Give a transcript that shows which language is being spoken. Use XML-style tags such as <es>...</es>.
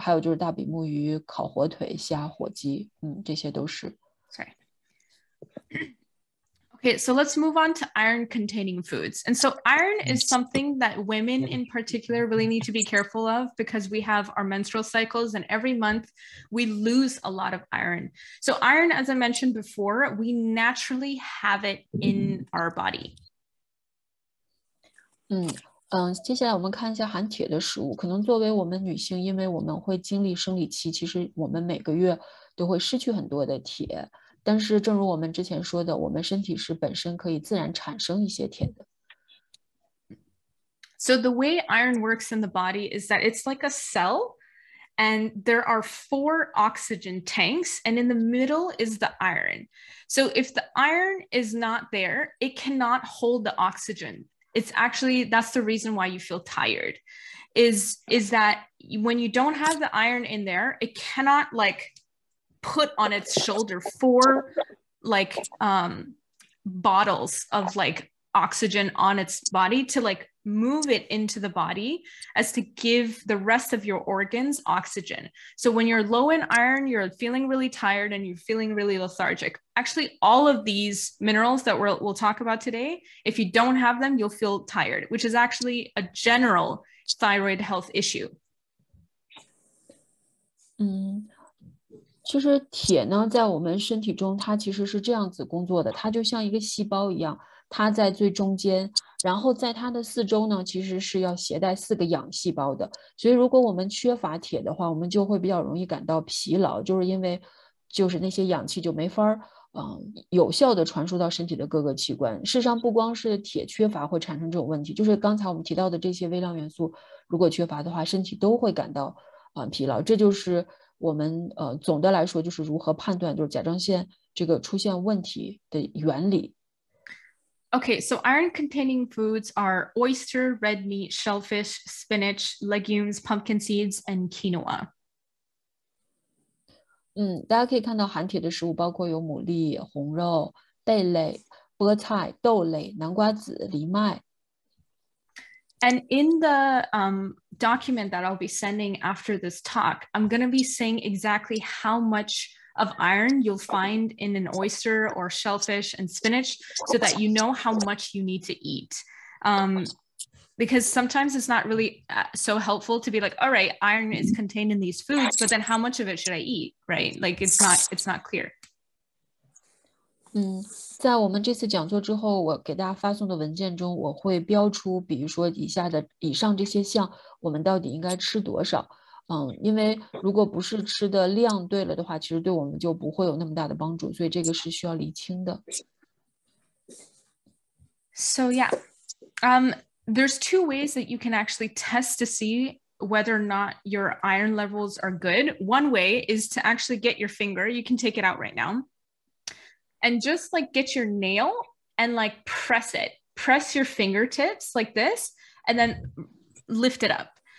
<zh>还有就是大比目鱼、烤火腿、虾、火鸡，这些都是。</zh> <en>Okay, so let's move on to iron-containing foods. And so iron is something that women in particular really need to be careful of, because we have our menstrual cycles and every month we lose a lot of iron. So iron, as I mentioned before, we naturally have it in our body.</en> <zh>接下来我们看一下含铁的食物。可能作为我们女性，因为我们会经历生理期，其实我们每个月都会失去很多的铁。但是正如我们之前说的，我们身体是本身可以自然产生一些铁的。</zh> <en>So the way iron works in the body is that it's like a cell, and there are 4 oxygen tanks, and in the middle is the iron. So if the iron is not there, it cannot hold the oxygen. It's actually, that's the reason why you feel tired, is that when you don't have the iron in there, it cannot like put on its shoulder 4 like bottles of like oxygen on its body to like move it into the body as to give the rest of your organs oxygen. So when you're low in iron, you're feeling really tired and you're feeling really lethargic. Actually, all of these minerals that we'll talk about today, if you don't have them, you'll feel tired, which is actually a general thyroid health issue.</en> <zh>其实铁呢在我们身体中它其实是这样子工作的，它就像一个细胞一样，它在最中间，然后在它的四周呢其实是要携带4个氧细胞的，所以如果我们缺乏铁的话，我们就会比较容易感到疲劳，就是因为就是那些氧气就没法有效的传输到身体的各个器官。事实上不光是铁缺乏会产生这种问题，就是刚才我们提到的这些微量元素如果缺乏的话，身体都会感到疲劳。这就是我们总的来说就是如何判断就是甲状腺这个出现问题的原理。</zh> <en>Okay, so iron containing foods are oyster, red meat, shellfish, spinach, legumes, pumpkin seeds, and quinoa.</en> <zh>大家可以看到含铁的食物包括有牡蛎、红肉、贝类、菠菜、豆类、南瓜子、藜麦。</zh> <en>And in the document that I'll be sending after this talk, I'm going to be saying exactly how much of iron you'll find in an oyster or shellfish and spinach so that you know how much you need to eat. Because sometimes it's not really so helpful to be like, all right, iron is contained in these foods, but then how much of it should I eat, right? Like it's not clear.</en> <zh>在我们这次讲座之后，我给大家发送的文件中，我会标出比如说以上这些项，我们到底应该吃多少。因为如果不是吃的量对了的话，其实对我们就不会有那么大的帮助，所以这个是需要厘清的。</zh> <en>So yeah, There's two ways that you can actually test to see whether or not your iron levels are good. One way is to actually get your finger, you can take it out right now, and just like get your nail and like press it, press your fingertips like this, and then lift it up.</en>